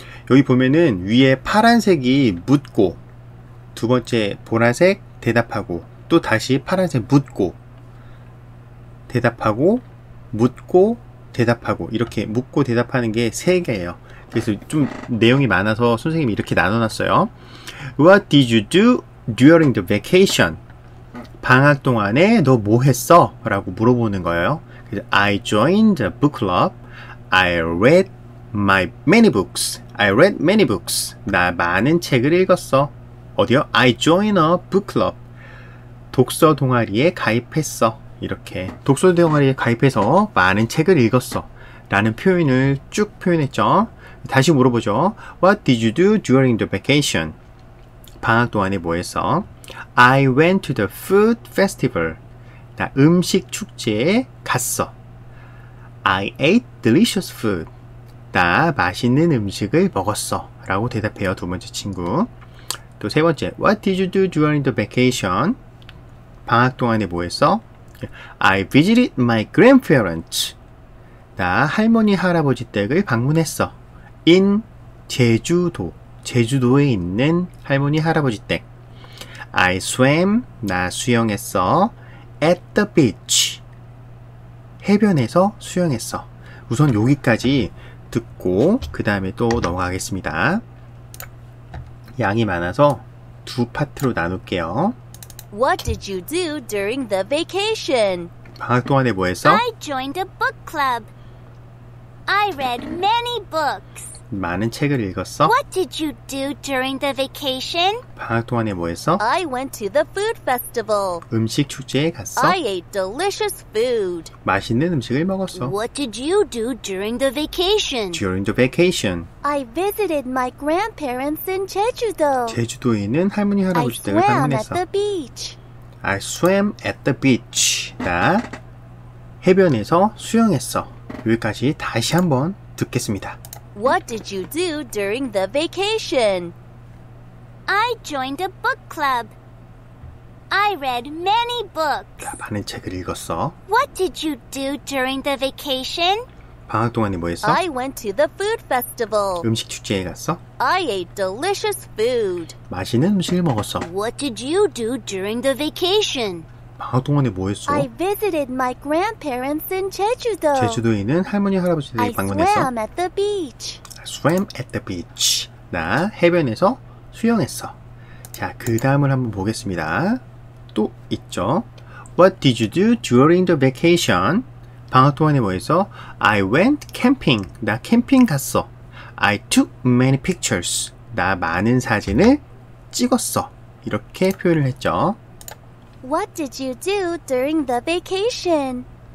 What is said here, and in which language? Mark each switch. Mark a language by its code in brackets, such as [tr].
[ko] 여기 보면은 위에 파란색이 묻고, 두 번째 보라색 대답하고, 또 다시 파란색 묻고, 대답하고, 묻고, 대답하고, 이렇게 묻고 대답하는 게세 개예요. 그래서 좀 내용이 많아서 선생님이 이렇게 나눠놨어요. [en] What did you do during the vacation? [ko] 방학 동안에 너뭐 했어? 라고 물어보는 거예요. 그래서 [en] I joined a book club. I read my many books. I read many books. [ko] 나 많은 책을 읽었어. 어디요? [en] I joined a book club. [ko] 독서 동아리에 가입했어. 이렇게 독서 동아리에 가입해서 많은 책을 읽었어. 라는 표현을 쭉 표현했죠. 다시 물어보죠. [en] What did you do during the vacation? [ko] 방학 동안에 뭐 했어? [en] I went to the food festival. [ko] 나 음식 축제에 갔어. [en] I ate delicious food. [ko] 나 맛있는 음식을 먹었어. 라고 대답해요. 두 번째 친구. 또세 번째. [en] What did you do during the vacation? [ko] 방학 동안에 뭐 했어? [en] I visited my grandparents. [ko] 나 할머니, 할아버지 댁을 방문했어. In 제주도. 제주도에 있는 할머니, 할아버지 댁. [en] I swam. [ko] 나 수영했어. [en] At the beach. [ko] 해변에서 수영했어. 우선 여기까지 듣고, 그 다음에 또 넘어가겠습니다. 양이 많아서 두 파트로 나눌게요. [en] What did you do during the vacation? [ko] 방학 동안에 뭐 했어? [en] I joined a book club. I read many books. [ko] 많은 책을 읽었어? [en] What did you do during the vacation? [ko] 방학 동안에 뭐 했어? [en] I went to the food festival. [ko] 음식 축제에 갔어? [en] I ate delicious food. [ko] 맛있는 음식을 먹었어. [en] What did you do during the vacation? During the vacation. I visited my grandparents in Jeju도. [ko] 제주도에 있는 할머니 할아버지들을 방문했어. [en] At the beach. I swam at the beach. [ko] 나 해변에서 수영했어. 여기까지 다시 한번 듣겠습니다. [en] What did you do during the vacation? I joined a book club. I read many books. [ko] 많은 책을 읽었어. [en] What did you do during the vacation? [ko] 방학 동안에 뭐 했어? [en] I went to the food festival. [ko] 음식 축제에 갔어? [en] I ate delicious food. [ko] 맛있는 음식을 먹었어. [en] What did you do during the vacation? [ko] 방학 동안에 뭐 했어? [en] I visited my grandparents in Jeju도. [ko] 제주도에 있는 할머니 할아버지들 방문했어. [en] I swam at the beach. I swam at the beach. [ko] 나 해변에서 수영했어. 자, 그 다음을 한번 보겠습니다. 또 있죠. [en] What did you do during the vacation? [ko] 방학 동안에 뭐 했어? [en] I went camping. [ko] 나 캠핑 갔어. [en] I took many pictures. [ko] 나 많은 사진을 찍었어. 이렇게 표현을 했죠. [en] What did you do during the vacation?